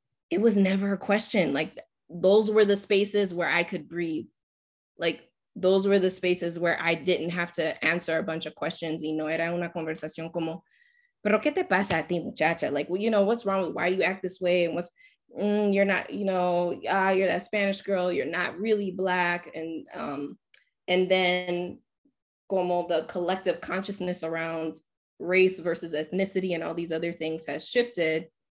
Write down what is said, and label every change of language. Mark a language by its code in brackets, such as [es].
[en] It was never a question. Like those were the spaces where I could breathe. Like those were the spaces where I didn't have to answer a bunch of questions. [es] Y no era una conversación como, pero qué te pasa a ti, muchacha? [en] Like, well, you know, what's wrong with, why do you act this way? And what's, you're not, you know, you're that Spanish girl. You're not really Black. And then como the collective consciousness around race versus ethnicity and all these other things has shifted.